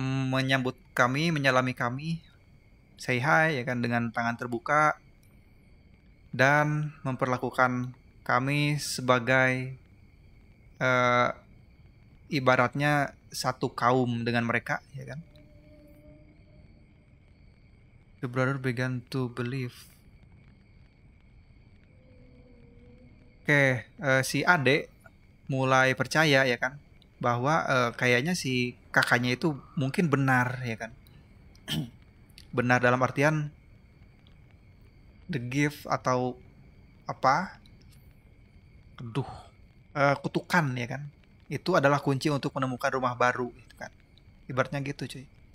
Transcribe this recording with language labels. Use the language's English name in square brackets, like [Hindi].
[Indonesian] menyambut kami, menyalami kami, [English] say hi, [Indonesian] ya kan, dengan tangan terbuka, dan memperlakukan kami sebagai ibaratnya satu kaum dengan mereka, ya kan. [English] The brother began to believe. [Indonesian] Oke, si Ade mulai percaya, ya kan, bahwa kayaknya si kakaknya itu mungkin benar, ya kan. Benar dalam artian [English] the gift [Indonesian] atau apa, kutukan, ya kan, itu adalah kunci untuk menemukan rumah baru, gitu kan. Ibaratnya gitu, cuy.